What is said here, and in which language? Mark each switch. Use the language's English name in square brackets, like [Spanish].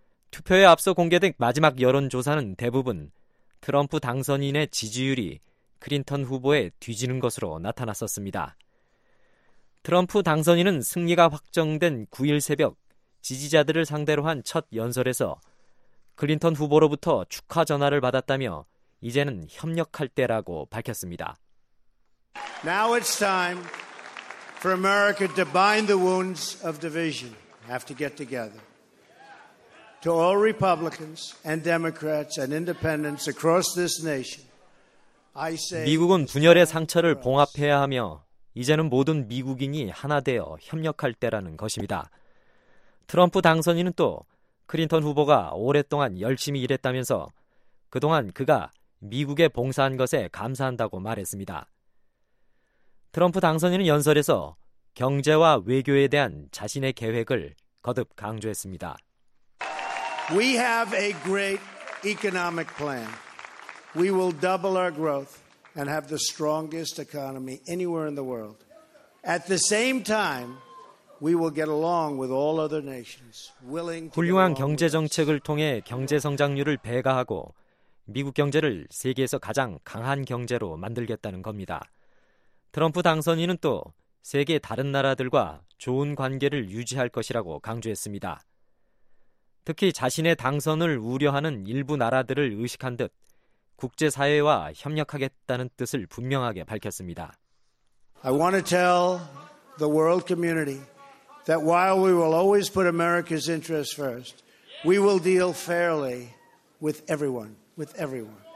[Korean] 투표에 앞서 공개된 마지막 여론조사는 대부분 트럼프 당선인의 지지율이 클린턴 후보에 뒤지는 것으로 나타났었습니다. 트럼프 당선인은 승리가 확정된 9일 새벽 지지자들을 상대로 한 첫 연설에서 클린턴 후보로부터 축하 전화를 받았다며 이제는 협력할 때라고 밝혔습니다. [English] Now it's time for America to bind the wounds of division. Have to get together. To all Republicans and Democrats and Independents across this nation, I say. [Korean] 미국은 분열의 상처를 봉합해야 하며 이제는 모든 미국인이 하나 되어 협력할 때라는 것입니다. 트럼프 당선인은 또 클린턴 후보가 오랫동안 열심히 일했다면서 그동안 그가 미국에 봉사한 것에 감사한다고 말했습니다. 트럼프 당선인은 연설에서 경제와 외교에 대한 자신의 계획을 거듭 강조했습니다. [English] We have a great economic plan. We will double our growth and have the strongest economy anywhere in the world. At the same time, we will get along with all other nations willing to. [Korean] 훌륭한 경제 정책을 통해 경제 성장률을 배가하고 미국 경제를 세계에서 가장 강한 경제로 만들겠다는 겁니다. 트럼프 당선인은 또 세계 다른 나라들과 좋은 관계를 유지할 것이라고 강조했습니다. 특히 자신의 당선을 우려하는 일부 나라들을 의식한 듯 국제사회와 협력하겠다는 뜻을 분명하게 밝혔습니다. [English] I want to tell the world community that while we will always put America's interests first, we will deal fairly with everyone, with everyone.